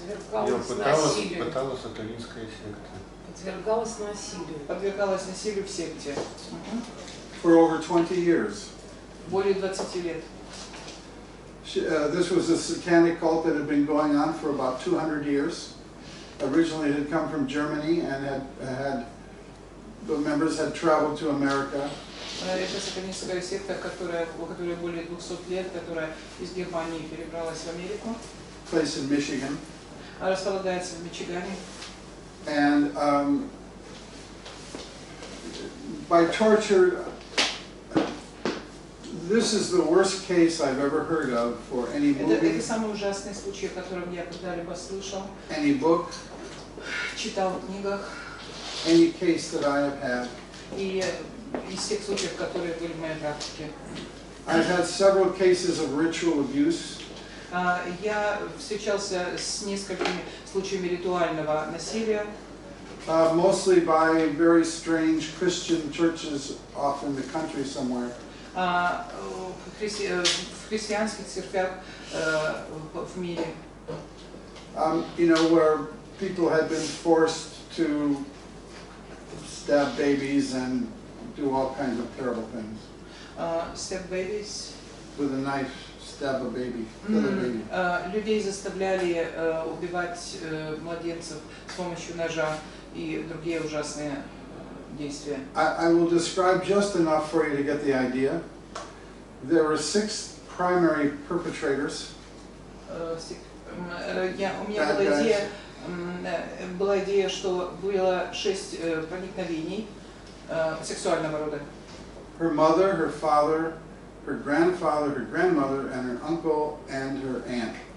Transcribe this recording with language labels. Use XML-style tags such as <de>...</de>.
<ru>Подвергалась сатанинской секте. Подвергалась насилию в секте.</ru> <en>For over 20 years.</en> <ru>Более 20 лет.</ru> <en>This was a satanic cult that had been going on for about 200 years. Originally it had come from Germany and had the members had traveled to America.</en> <ru>Это сатанинская секта, у которой более 200 лет, которая из Германии перебралась в Америку.</ru> <en>Place in Michigan.</en> <ru>Располагается в Мичигане.</ru> <en>And by torture, this is the worst case I've ever heard of for any movie.</en> <ru>Это самый ужасный случай, о котором я когда-либо слышал.</ru> <en>Any book.</en> <ru>Читал в книгах.</ru> <en>Any case that I have had.</en> <ru>И из тех случаев, которые были в моей практике.</ru> <en>I've had several cases of ritual abuse.</en> <ru>Я встречался с несколькими случаями ритуального насилия.</ru> <en>Mostly by very strange Christian churches off in the country somewhere.</en> <ru>В христианских церквях в мире.</ru> <en>You know, where people had been forced to stab babies and do all kinds of terrible things. Stab babies? With a knife, stab a baby.</en> <ru>Людей заставляли убивать младенцев с помощью ножа и другие ужасные действия.</ru> <en>I will describe just enough for you to get the idea. There were six primary perpetrators.</en> <ru>У меня была идея, что было шесть проникновений сексуального рода.</ru> <en>Her mother, her father, her grandfather, her grandmother, and her uncle and her aunt.</en>